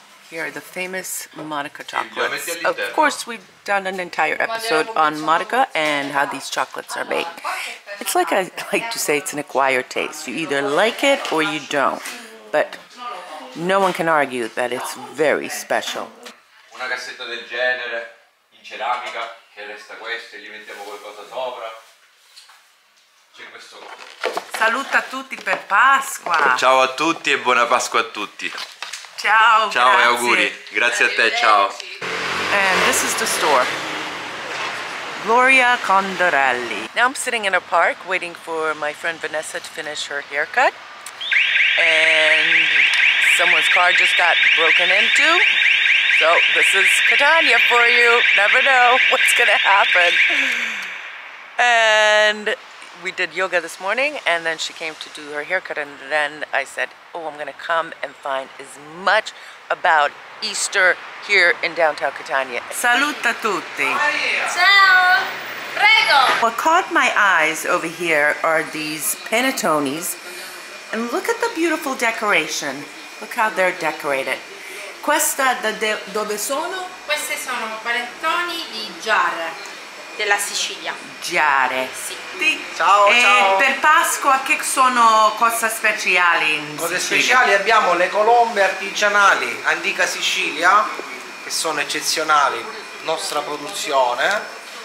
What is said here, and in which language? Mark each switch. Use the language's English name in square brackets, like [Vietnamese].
[English] Here are the famous Monica chocolates. Of course, we've done an entire episode on Monica and how these chocolates are made. It's like I like to say, it's an acquired taste. You either like it or you don't. But no one can argue that it's very special. [Italian] Una cassetta del genere in ceramica che resta questa e gli mettiamo qualcosa sopra. Saluta a tutti per Pasqua. Ciao a tutti e buona Pasqua a tutti. Ciao. Ciao, grazie. E auguri. Grazie a te, ciao. [English] And this is the store. Gloria Condorelli. Now I'm sitting in a park waiting for my friend Vanessa to finish her haircut. And someone's car just got broken into. So this is Catania for you. Never know what's gonna happen. And we did yoga this morning, and then she came to do her haircut, and then I said, oh, I'm gonna come and find as much about Easter here in downtown Catania. [Italian] Saluta tutti. Ciao. Prego. [English] What caught my eyes over here are these panettones, and look at the beautiful decoration. Look how they're decorated. [Italian] Questa da dove sono? Queste sono panettoni di Giara della Sicilia. Giara. Sì. Ciao. E per Pasqua che sono cose speciali? Cose speciali abbiamo le colombe artigianali antica Sicilia, che sono eccezionali, nostra produzione.